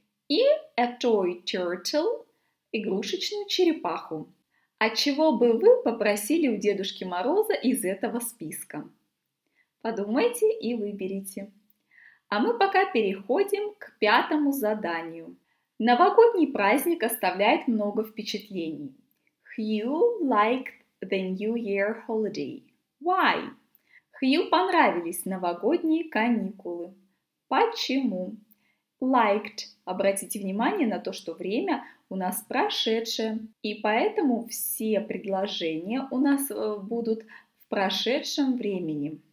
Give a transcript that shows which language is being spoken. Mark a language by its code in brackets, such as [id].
[ru] И [en] a toy turtle, [ru] игрушечную черепаху. А чего бы вы попросили у Дедушки Мороза из этого списка? Подумайте и выберите. А мы пока переходим к пятому заданию. Новогодний праздник оставляет много впечатлений. [en] Хью liked the New Year holiday. Why? [ru] Хью понравились новогодние каникулы. Почему? [en] Liked. [ru] Обратите внимание на то, что время у нас прошедшее. И поэтому все предложения у нас будут в прошедшем времени.